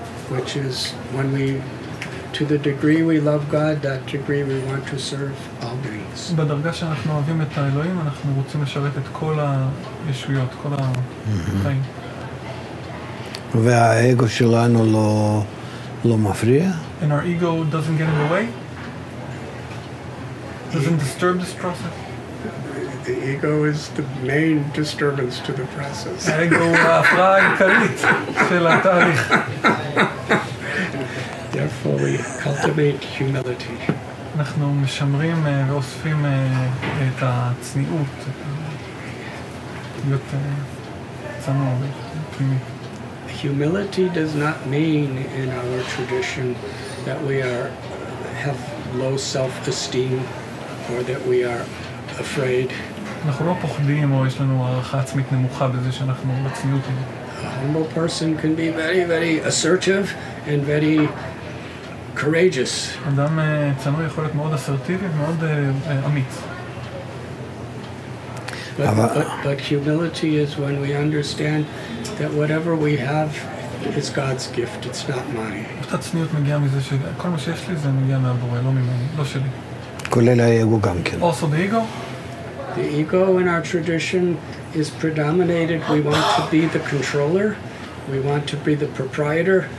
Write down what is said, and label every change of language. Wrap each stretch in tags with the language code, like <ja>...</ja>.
<en>Which is when we, to the degree we love God, that degree we want to serve all beings.</en> <he>בדרגה שאנחנו אוהבים את האלוהים, אנחנו רוצים לשרת את כל הישויות, כל החיים. והאגו שלנו לא מפריע?</he> <en>And our ego doesn't get in the way? Doesn't disturb this process? The ego is the main disturbance to the process.</en> <he>האגו הוא ההפרעה העיקרית של התהליך.</he> <en>Therefore we cultivate humility.</en> <he>אנחנו משמרים ואוספים את הצניעות, להיות צנוע ופנימי.</he> <en>Humility does not mean in our tradition that we are have low self-esteem or that we are afraid.</en> <he>אנחנו לא פוחדים או יש לנו הערכה עצמית נמוכה בזה שאנחנו בצניעות.</he> <en>A humble person can be very, very assertive and very courageous.</en> <he>אדם צנוע יכול להיות מאוד אסרטיבי ומאוד אמיץ.</he> <en>But humility is when we understand that whatever we have is God's gift, it's not mine.</en> <he>אותה צניעות מגיעה מזה שכל מה שיש לי זה מגיע מהבורא, לא ממני, לא שלי. כולל האגו גם כן.</he> <en>Also the ego? The ego in our tradition is predominated. We want to be the controller. We want to be the proprietor.</en>